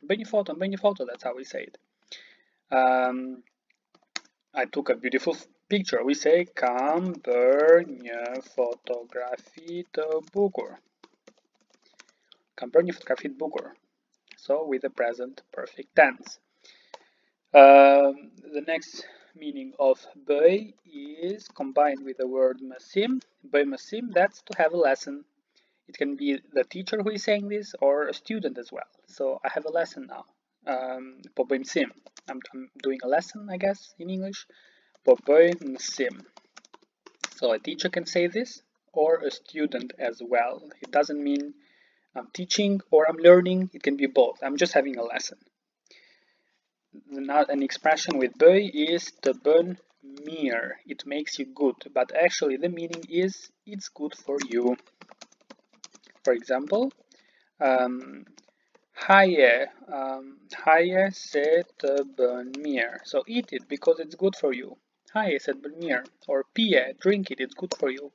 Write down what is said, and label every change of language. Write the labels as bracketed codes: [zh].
[sq] Bëj një foto, bëj një foto. [en] That's how we say it. I took a beautiful picture. We say, [sq] kam bër një fotografi të bukur. Kam bër një fotografi të bukur. [en] So, with the present perfect tense. The next meaning of bëj is combined with the word mësim. Bëj mësim, that's to have a lesson. It can be the teacher who is saying this or a student as well. So, I have a lesson now. [sq] Po bëj mësim. [en] I'm doing a lesson, I guess, in English. [sq] Po bëj mësim. [en] So a teacher can say this, or a student as well. It doesn't mean I'm teaching or I'm learning. It can be both. I'm just having a lesson. Now, an expression with bëj is të bën mirë. It makes you good. But actually, the meaning is it's good for you. For example, [sq] haje se të bën mirë. [en] So eat it because it's good for you. [sq] Haje se të bën mirë. [en] Or pije, drink it, it's good for you.